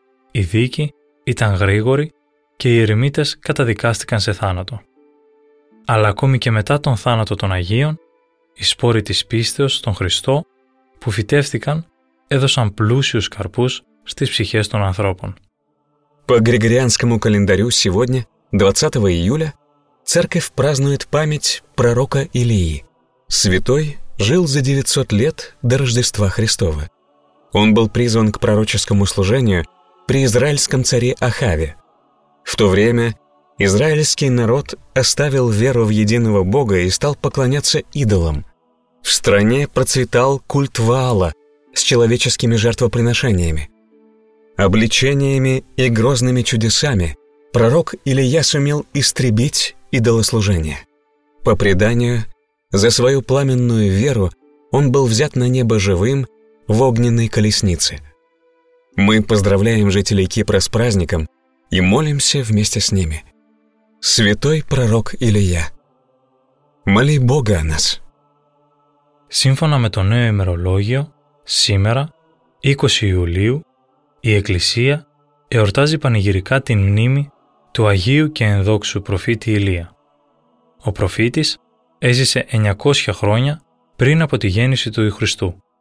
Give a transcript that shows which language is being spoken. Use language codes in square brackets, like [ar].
[el] Η δίκη ήταν γρήγορη και οι ερημίτες καταδικάστηκαν σε θάνατο. Αλλά ακόμη και μετά τον θάνατο των Αγίων, οι σπόροι της πίστεως στον Χριστό που φυτεύτηκαν έδωσαν πλούσιους καρπούς στις ψυχές των ανθρώπων. [ru] По Григорианскому календарю сегодня, 20 июля, церковь празднует память пророка Илии. Святой жил за 900 лет до Рождества Христова. Он был призван к пророческому служению при израильском царе Ахаве. В то время израильский народ оставил веру в единого Бога и стал поклоняться идолам. В стране процветал культ Ваала с человеческими жертвоприношениями. Обличениями и грозными чудесами пророк Илия сумел истребить идолослужение. По преданию, за свою пламенную веру он был взят на небо живым в огненной колеснице. Мы поздравляем жителей Кипра с праздником и молимся вместе с ними. Святой пророк Илия, моли Бога о нас. [el] Σύμφωνα με το νέο ημερολόγιο, σήμερα, 20 Ιουλίου, η Εκκλησία εορτάζει πανηγυρικά την μνήμη του Αγίου και Ενδόξου προφήτη Ηλία. Ο προφήτης έζησε 900 χρόνια πριν από τη γέννηση του Χριστού.